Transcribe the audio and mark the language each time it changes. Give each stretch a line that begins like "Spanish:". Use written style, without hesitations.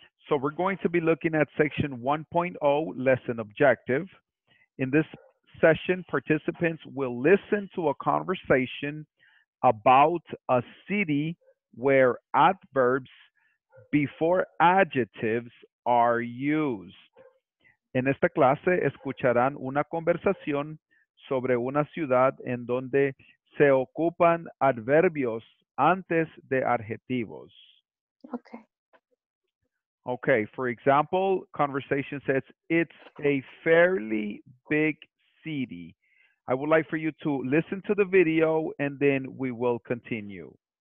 English: So we're going to be looking at section 1.0, lesson objective. In this session, participants will listen to a conversation about a city where adverbs before adjectives are used.
Spanish: En esta clase, escucharán una conversación sobre una ciudad en donde se ocupan adverbios antes de adjetivos.
English: Okay. Okay, for example, conversation says, it's a fairly big city. I would like for you to listen to the video and then we will continue.